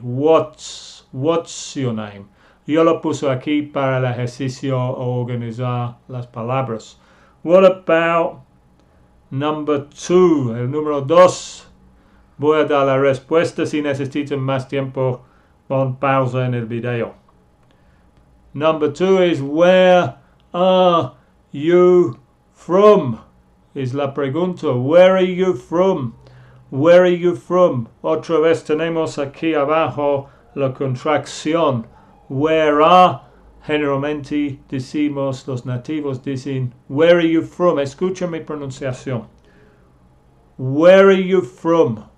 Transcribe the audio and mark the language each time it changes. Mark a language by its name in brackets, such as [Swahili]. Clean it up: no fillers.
[English] What's your name? [Spanish] Yo lo puse aquí para el ejercicio o organizar las palabras. [English] What about number two? [Spanish] El número dos. Voy a dar la respuesta. Si necesitan más tiempo, pon pausa en el video. [English] Number two is, where are you from? [Spanish] Es la pregunta. [English] Where are you from? Where are you from? [Spanish] Otra vez tenemos aquí abajo la contracción. Where are, generalmente decimos, los nativos dicen, [English] where are you from? [Spanish] Escucha mi pronunciación. [English] Where are you from?